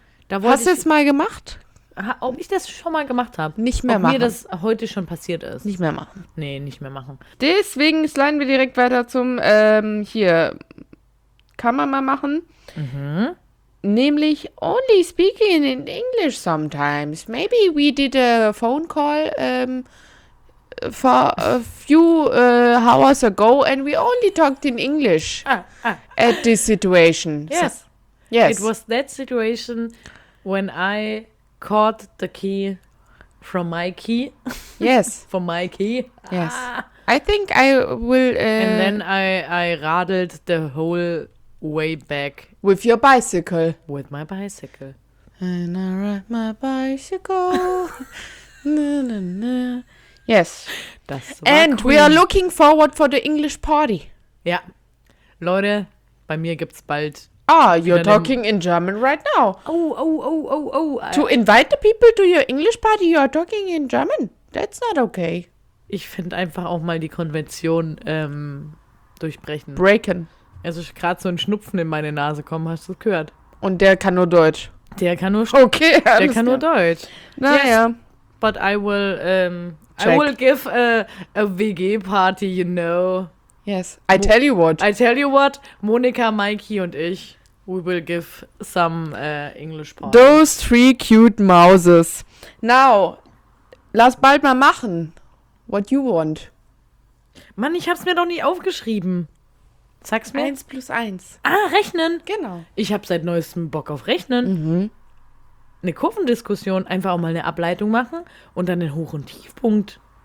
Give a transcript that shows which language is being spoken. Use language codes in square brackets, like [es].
[de] Hast du es mal gemacht? Ob ich das schon mal gemacht habe? Nicht mehr machen. Ob mir das heute schon passiert ist? Nicht mehr machen. Nee, nicht mehr machen. Deswegen sliden wir direkt weiter zum, kann man mal machen. Mhm. [en] Nämlich only speaking in English sometimes. Maybe we did a phone call for a few hours ago and we only talked in English at this situation. Yes. So, yes. It was that situation when I caught the key from my key. Yes. From my key. Yes. I think I will... And then I radled the whole way back. With your bicycle. With my bicycle. And I ride my bicycle. Na, na, na. Yes. [de] Das [en] And cool. We are looking forward for the English party. [de] Ja. Leute, bei mir gibt's bald... [en] Ah, you're talking in German right now. Oh. To invite the people to your English party, you're talking in German. That's not okay. [de] Ich finde einfach auch mal die Konvention durchbrechen. [en] Breaken. [de] Also gerade so ein Schnupfen in meine Nase kommen, hast du gehört. Und der kann nur Deutsch. Der kann nur Okay, der kann nur Deutsch. Naja. [en] Yes, but I will check. I will give a WG party, you know. Yes. I tell you what, Monika, Mikey [de] und ich, [en] we will give some English party. Those three cute mouses. [de] Now, lass bald mal machen. [en] What you want? [de] Mann, ich hab's mir doch nie aufgeschrieben. Sag's mir. 1+1. Ah, rechnen. Genau. Ich hab seit neuestem Bock auf Rechnen. Mhm. Eine Kurvendiskussion, einfach auch mal eine Ableitung machen und dann den Hoch- und Tiefpunkt.